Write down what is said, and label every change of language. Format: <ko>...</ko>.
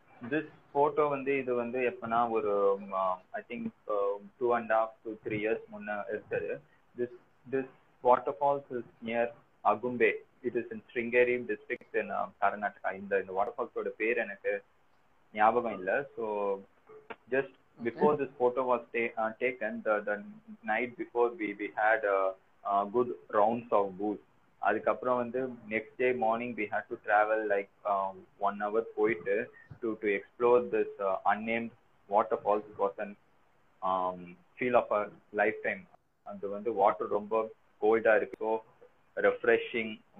<ta>This photo வந்து இது வந்து எப்பனா ஒரு</ta> <en>I think 2.5 to 3 years</en> <ta>முன்ன இருக்குது.</ta> <en>This waterfalls is near Agumbe. It is in Sringeri district in Karnataka.</en> <ta>இந்த waterfalls ஓட பேர் எனக்கு ஞாபகம் இல்ல.</ta> <en>So just before this photo was taken, the night before we had good rounds of booze.</en> <ta>அதுக்கப்புறம் வந்து</ta> <en>Next day morning we had to travel like 1 hour போயிட்டு to explore this unnamed water falls. Was an feel of a lifetime.</en> <ta>அது வந்து water ரொம்ப கோல்டா இருக்கோ, refreshing.</ta>